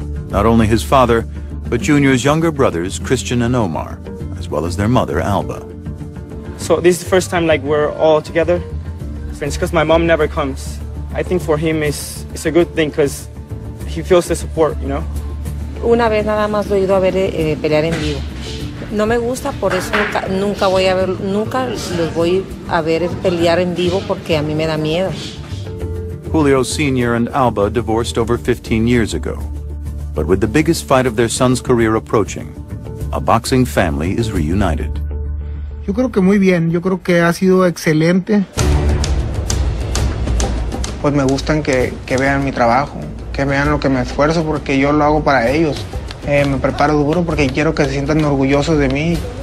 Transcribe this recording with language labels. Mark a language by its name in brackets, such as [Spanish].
[English] Not only his father, but Junior's younger brothers, Christian and Omar, as well as their mother, Alba. So this is the first time like we're all together. It's because my mom never comes. I think for him it's a good thing because he feels the support, you know? [Spanish] Una vez nada más lo he ido a ver pelear en vivo. No me gusta, por eso nunca los voy a ver pelear en vivo porque a mí me da miedo. [English] Julio Sr. and Alba divorced over 15 years ago. But with the biggest fight of their son's career approaching, a boxing family is reunited. [Spanish] Yo creo que muy bien, yo creo que ha sido excelente. Pues me gustan que vean mi trabajo, que vean lo que me esfuerzo porque yo lo hago para ellos. Me preparo duro porque quiero que se sientan orgullosos de mí.